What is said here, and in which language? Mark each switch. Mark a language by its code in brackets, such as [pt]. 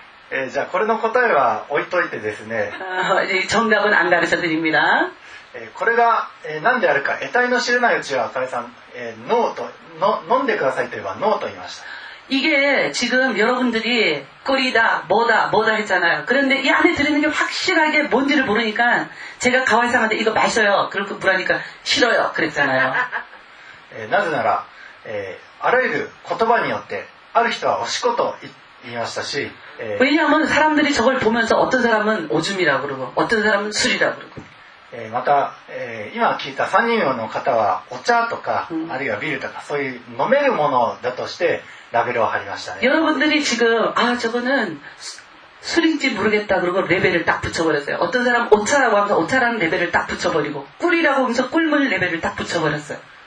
[ja] 예, 자, これの答えは置いといてですね。 [ko] 정답은 안 가르쳐 드립니다. [ja] これが何であるか 得体の知れないうちはカレさん飲んでくださいと言えばノーと言いました。 [ko] 이게 지금 여러분들이 꿀이다 뭐다 뭐다 했잖아요. 그런데 이 안에 들어있는 게 확실하게 뭔지를 모르니까 제가 가와이상한테 이거 마셔요 그렇게 물으니까 싫어요 그랬잖아요. [ja] 나즈나라 あらゆる言葉によってある人はおしこと言いましたし [ko] 왜냐하면 사람들이 저걸 보면서 어떤 사람은 오줌이라고 그러고 어떤 사람은 술이라고 그러고 [ja] また今聞いた3人の方はお茶とかあるいはビールとかそういう飲めるものだとしてラベルを貼りましたね。 [ko] 여러분들이 지금 아 저거는 술인지 모르겠다 그러고 레벨을 딱 붙여버렸어요. 어떤 사람 오차라고 하면서 오차라는 레벨을 딱 붙여버리고 꿀이라고 하면서 꿀물 레벨을 딱 붙여버렸어요.